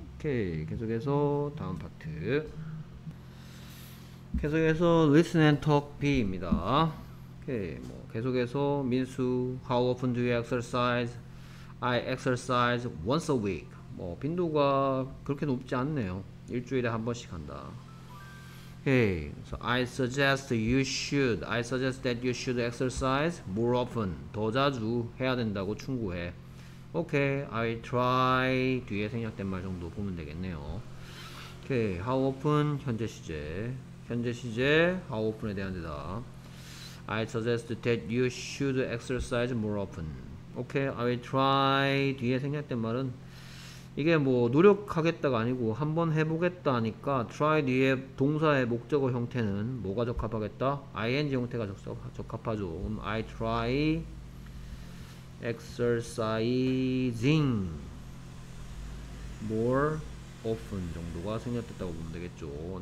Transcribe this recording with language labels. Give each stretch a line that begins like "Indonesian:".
Korean: 오케이. 계속해서 다음 파트. 계속해서 listen and talk B입니다. 오케이. 뭐 계속해서
English: 민수, how often do you exercise? I exercise once a week.
Korean: 뭐 빈도가 그렇게 높지 않네요. 일주일에 한 번씩 한다.
English: Hey, so I suggest that you should exercise more often.
Korean: 더 자주 해야 된다고 충고해.
English: Okay, I try.
Korean: 뒤에 생략된 말 정도 보면 되겠네요.
English: Okay, how often?
Korean: 현재 시제. 현재 시제, how often에 대한 대답.
English: I suggest that you should exercise more often. Okay, I will try.
Korean: 뒤에 생략된 말은 이게 뭐 노력하겠다가 아니고 한번 해보겠다 하니까 try 뒤에 동사의 목적어 형태는 뭐가 적합하겠다? ing 형태가 적합하죠.
English: I try exercising more often
Korean: 정도가 생략됐다고 보면 되겠죠.